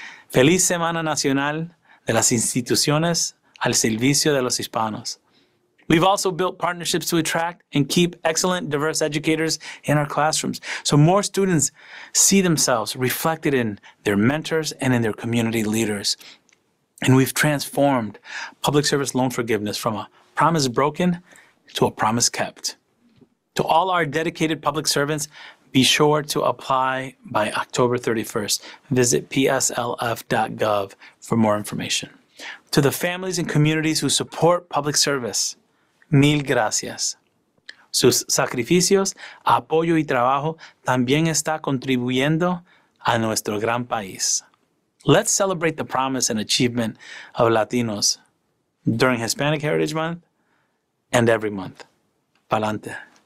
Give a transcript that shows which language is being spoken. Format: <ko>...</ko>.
<es>Feliz Semana Nacional de las Instituciones al Servicio de los Hispanos.</es> <en>We've also built partnerships to attract and keep excellent, diverse educators in our classrooms, so more students see themselves reflected in their mentors and in their community leaders. And we've transformed public service loan forgiveness from a promise broken to a promise kept. To all our dedicated public servants, be sure to apply by October 31st. Visit pslf.gov for more information. To the families and communities who support public service,</en> <es>mil gracias. Sus sacrificios, apoyo y trabajo también está contribuyendo a nuestro gran país.</es> <en>Let's celebrate the promise and achievement of Latinos during Hispanic Heritage Month and every month.</en> <es>Pa'lante.</es>